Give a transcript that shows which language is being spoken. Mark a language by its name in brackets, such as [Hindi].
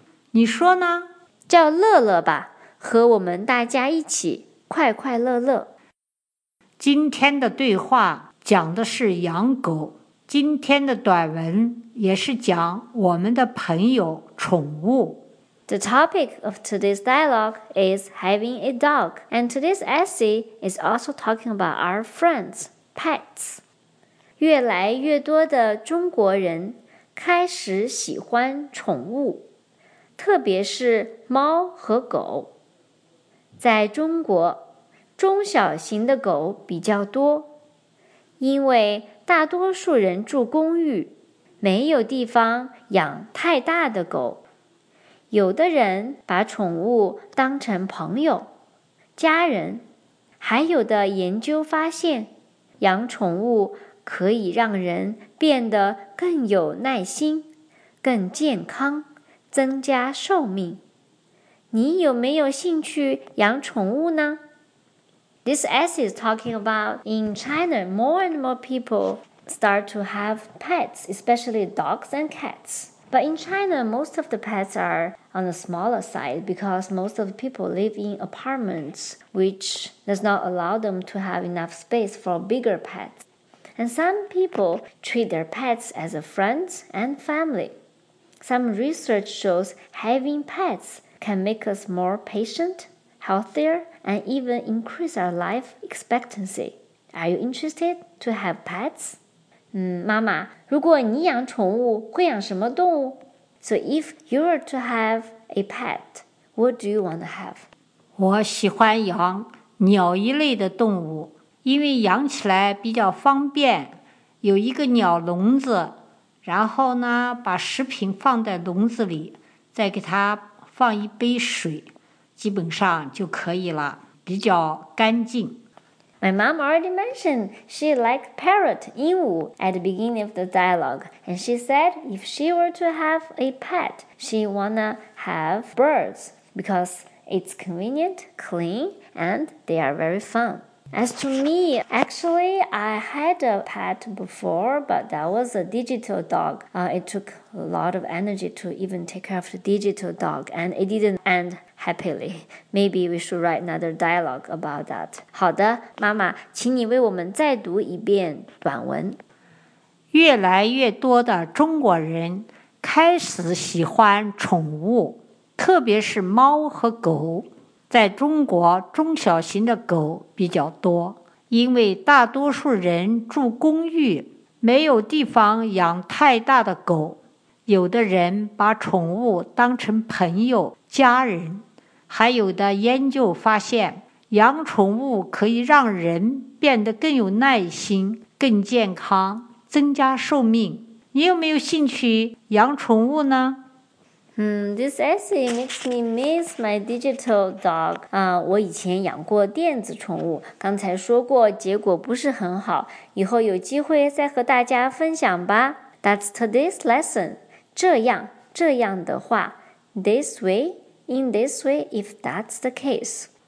[Chinese] 你说呢？叫乐乐吧，和我们大家一起快快乐乐。今天的对话讲的是养狗，今天的短文也是讲我们的朋友宠物。 The topic of today's dialogue is having a dog, and today's essay is also talking about our friends, pets. 越来越多的中国人开始喜欢宠物，特别是猫和狗。在中国，中小型的狗比较多，因为大多数人住公寓，没有地方养太大的狗。有的人把宠物当成朋友、家人，还有的研究发现，养宠物可以让人变得更有耐心、更健康，增加寿命。你有没有兴趣养宠物呢？ [English] This essay is talking about in China, more and more people start to have pets, especially dogs and cats. But in China, most of the pets are on the smaller side because most of the people live in apartments, which does not allow them to have enough space for bigger pets. And some people treat their pets as a friend and family. Some research shows having pets can make us more patient, healthier, and even increase our life expectancy. Are you interested to have pets? [Chinese] 妈妈，如果你养宠物，会养什么动物？ [English] So if you were to have a pet, what do you want to have? [Chinese] 我喜欢养鸟一类的动物，因为养起来比较方便，有一个鸟笼子，然后呢，把食品放在笼子里，再给它放一杯水，基本上就可以了，比较干净。 [English] My mom already mentioned she liked parrot, 鹦鹉, at the beginning of the dialogue. And she said if she were to have a pet, she wanna have birds because it's convenient, clean, and they are very fun. As to me, actually, I had a pet before, but that was a digital dog. It took a lot of energy to even take care of the digital dog, and it didn't end happily. Maybe we should write another dialogue about that. [Chinese] 好的，妈妈，请你为我们再读一遍短文。越来越多的中国人开始喜欢宠物，特别是猫和狗。在中国，中小型的狗比较多，因为大多数人住公寓，没有地方养太大的狗。有的人把宠物当成朋友、家人，还有的研究发现，养宠物可以让人变得更有耐心、更健康、增加寿命。你有没有兴趣养宠物呢？ [English] This essay makes me miss my digital dog. [Chinese] 我以前养过电子宠物，刚才说过结果不是很好，以后有机会再和大家分享吧。 [English] That's today's lesson. [Chinese] 这样，这样的话 [English] ,this way, in this way, if that's the case.